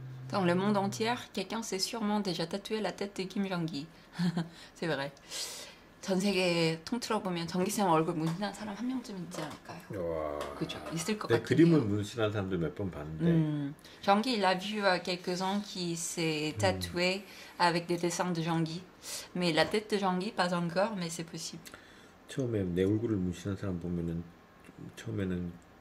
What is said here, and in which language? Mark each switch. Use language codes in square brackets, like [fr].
[fr] Dans le monde entier, quelqu'un s'est sûrement déjà tatoué la tête de Kim Jong-gi. C'est vrai. [ko] 전 세계 통틀어 보면 전기샘 얼굴 문신한 사람 한 명쯤 있지 않을까요? 그죠. 있을 것 같아요. 그림을 문신한 사람도 몇 번 봤는데. [fr] Jong-gi, il a vu quelques-uns qui s'est tatoué avec des dessins de Jong-gi. Mais la tête de Jong-gi pas encore, mais c'est possible. [ko] 처음에 내 얼굴을 문신한 사람 보면은 처음에는